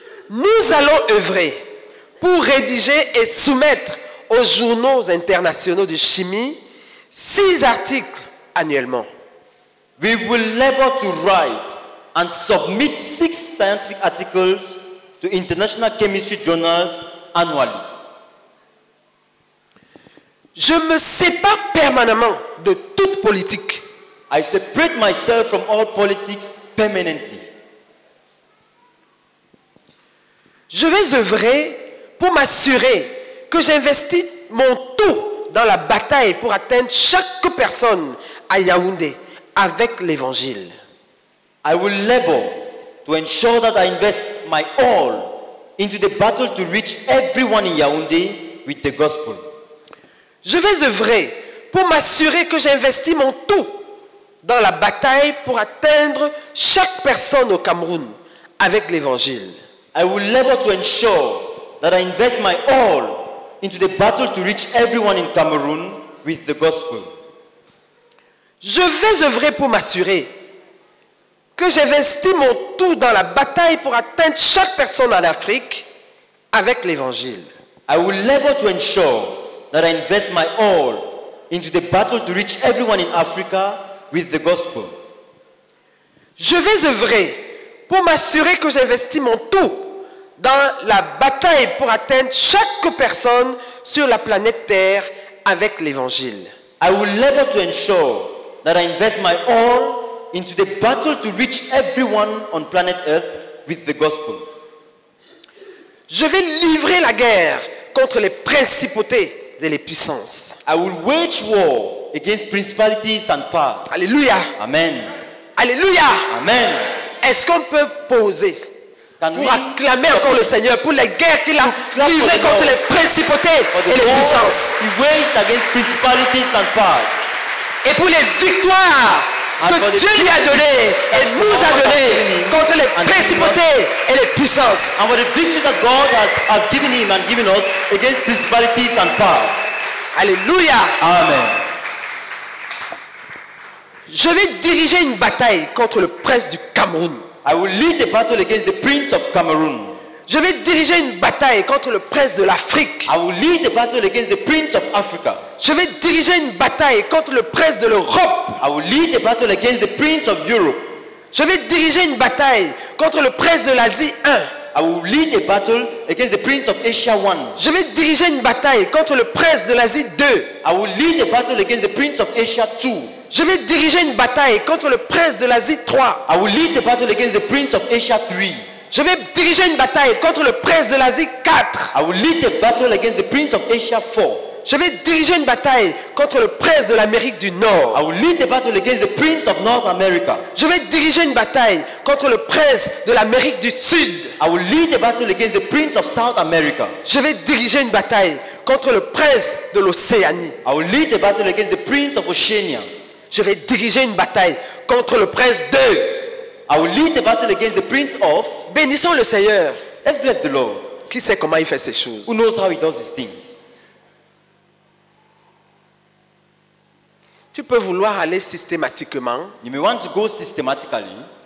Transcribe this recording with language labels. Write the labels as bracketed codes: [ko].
[fr] Nous allons œuvrer pour rédiger et soumettre aux journaux internationaux de chimie 6 articles annuellement. [en] We will labor to write and submit 6 scientific articles to international chemistry journals annually. [fr] Je me sépare permanemment de toute politique. [en] I separate myself from all politics permanently. [fr] Je vais œuvrer pour m'assurer que j'investis mon tout dans la bataille pour atteindre chaque personne à Yaoundé avec l'évangile. [en] I will labor to ensure that I invest my all into the battle to reach everyone in Yaoundé with the gospel. [fr] Je vais œuvrer pour m'assurer que j'investis mon tout dans la bataille pour atteindre chaque personne au Cameroun avec l'évangile. [en] I will labor to ensure that I invest my all into the battle to reach everyone in Cameroon with the gospel. [fr] Je vais œuvrer pour m'assurer que j'investis mon tout dans la bataille pour atteindre chaque personne en Afrique avec l'évangile. [en] I will labor to ensure that I invest my all into the battle to reach everyone in Africa with the gospel. [fr] Je vais œuvrer pour m'assurer que j'investis mon tout dans la bataille pour atteindre chaque personne sur la planète Terre avec l'évangile. [en] I will labor to ensure that I invest my all into the battle to reach everyone on planet Earth with the gospel. [fr] Je vais livrer la guerre contre les principautés et les puissances. [en] I will wage war against principalities and powers. [fr] Alléluia. [en] Amen. [fr] Alléluia. [en] Amen. [fr] Est-ce qu'on peut poser pour acclamer encore le Seigneur pour les guerres qu'il a livrées contre les principautés et les puissances. [en] He waged against principalities and powers. [fr] Et pour les victoires que Dieu lui a données et nous a données contre les principautés et les puissances. [en] And for the victories that God has given him and given us against principalities and powers. [fr] Alléluia. [en] Amen. [fr] Je vais diriger une bataille contre le prince du Cameroun. [en] I will lead a battle against the prince of Cameroon. [fr] Je vais diriger une bataille contre le prince de l'Afrique. [en] I will lead a battle against the prince of Africa. [fr] Je vais diriger une bataille contre le prince de l'Europe. [en] I will lead a battle against the prince of Europe. [fr] Je vais diriger une bataille contre le prince de l'Asie 1. [en] I will lead a battle against the prince of Asia 1. [fr] Je vais diriger une bataille contre le prince de l'Asie 2. [en] I will lead a battle against the prince of Asia 2. [fr] Je vais diriger une bataille contre le prince de l'Asie 3. [en] I will lead a battle against the prince of Asia 3. [fr] Je vais diriger une bataille contre le prince de l'Asie 4. [en] I will lead a battle against the prince of Asia 4. [fr] Je vais diriger une bataille contre le prince de l'Amérique du Nord. [en] I will lead a battle against the prince of North America. [fr] Je vais diriger une bataille contre le prince de l'Amérique du Sud. [en] I will lead a battle against the prince of South America. [fr] Je vais diriger une bataille contre le prince de l'Océanie. [en] I will lead a battle against the prince of Oceania. [fr] Je vais diriger une bataille contre le prince de [en] I will lead the battle against the prince of. [fr] Bénissons le Seigneur. [en] Let's bless the Lord. [fr] Qui sait comment il fait ces choses? [en] Who knows how he does his things? [fr] Tu peux vouloir aller systématiquement. [en] You may want to go systematically.